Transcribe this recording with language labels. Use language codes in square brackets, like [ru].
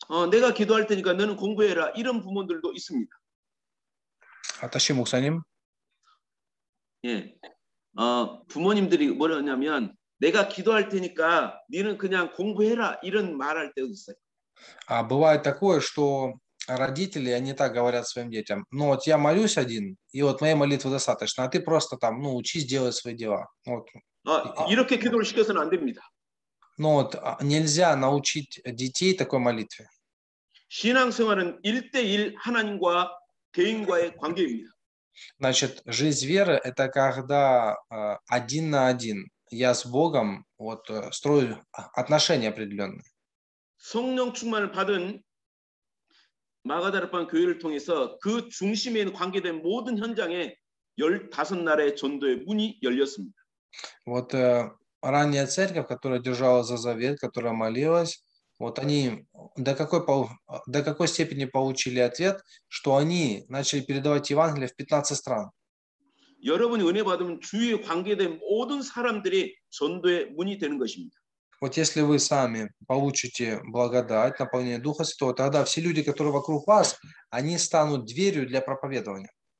[ko] 내가 기도할 테니까 너는 공부해라 이런 부모들도 있습니다. 아타시 목사님. 예. 부모님들이 뭐라냐면 내가 기도할 테니까 너는 그냥 공부해라 이런 말할 때도 있어요. [ru] 아, бывает такое, что родители они так говорят своим детям. Ну вот я молюсь один, и вот моей молитвы достаточно. А ты просто там, ну, учись делать свои дела. Вот. [ko] 이렇게 기도를 시켜서는 안 됩니다. [ru] Ну вот нельзя научить детей такой молитве. [ko] 신앙생활은 1대1 하나님과 개인과의 관계입니다. [ru] Значит, жизнь веры это когда один на один я с Богом вот строю отношения определённые. [ko] 성령 충만을 받은 마가 다락방 교회를 통해서 그 중심에 있는 관계된 모든 현장에 15날의 전도의 문이 열렸습니다. [ru] Вот ранняя церковь, которая держалась за завет, которая молилась, вот они до какой степени получили ответ, что они начали передавать Евангелие в 15 стран. [ko] 여러분이 은혜 받으면 주위에 관계된 모든 사람들이 전도의 문이 되는 것입니다. [ru] Вот если вы сами получите благодать, наполнение Духа Святого, тогда все люди, которые вокруг вас, они станут дверью для проповедования.